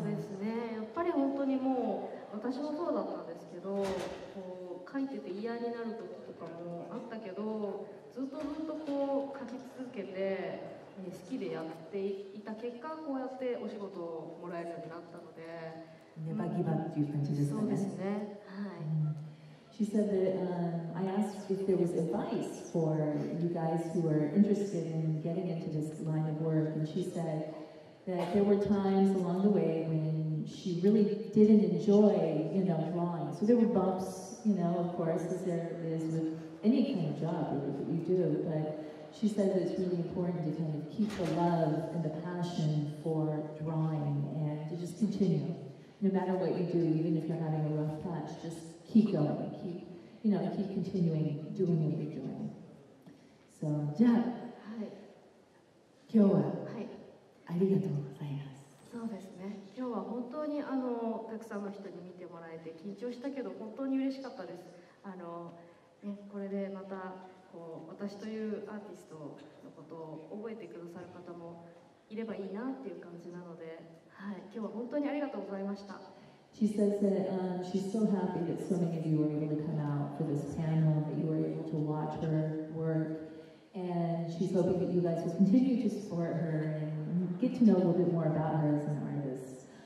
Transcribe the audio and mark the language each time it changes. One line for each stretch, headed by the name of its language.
Japanese: そうですね、やっぱり本当にもう私もそうだったんですけど、こう書いてて嫌になる時とかもあったけど、ずっとずっとこう書き続けて。好きでやっていた結果、こうやってお仕事をもらえるようになったので、ネバギバっていう感じですね。そうですね。はい。
English: She said that, I asked if there was advice for you guys who are interested in getting into this line of work, and she said that there were times along the way when she really didn't enjoy, you know, drawing. So there were bumps, you know, of course, as there is with any kind of job that you do, but. She says it's really important to kind of keep the love and the passion for drawing and to just continue. No matter what you do, even if you're having a rough patch, just keep going, keep, you know, keep continuing doing what you're doing.
Japanese: So, じゃあ、はい、今日は、はい、ありがとうございます。そうですね。今日は本当にたくさんの人に見てもらえて緊張したけど本当に嬉しかったです。ね、これでまた私というアーティストのことを覚えてくださる方もいればいいなっていう感じなので、はい、今日は本当にありがとうございました。
English: She says that, she's so happy that so many of you were able to come out for this panel, that you were able to watch her work, and she's hoping that you guys will continue to support her and get to know a little bit more about her as an artist.